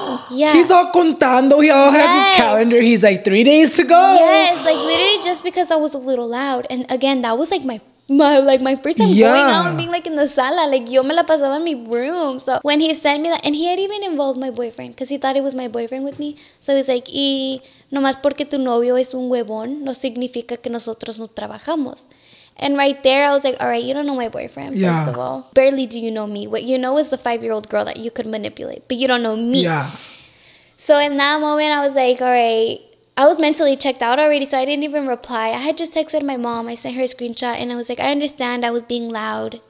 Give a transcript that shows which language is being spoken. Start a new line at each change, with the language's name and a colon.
English: Yeah. He's all contando, he all has his calendar, he's like 3 days to go. Yes, like literally just because I was a little loud. And again, that was like my first time going out and being like in the sala, like
Spanish: yo me la pasaba en mi
English: room. So when he sent me that, and he had even involved my boyfriend because he thought it was my boyfriend with me. So he's like,
Spanish: y nomás porque tu novio es un huevón no significa que nosotros no trabajamos.
English: And right there, I was like, all right, you don't know my boyfriend, first of all. Barely do you know me. What you know is the 5-year-old girl that you could manipulate, but you don't know me. Yeah. So in that moment, I was like, all right. I was mentally checked out already, so I didn't even reply. I had just texted my mom. I sent her a screenshot, and I was like, I understand I was being loud.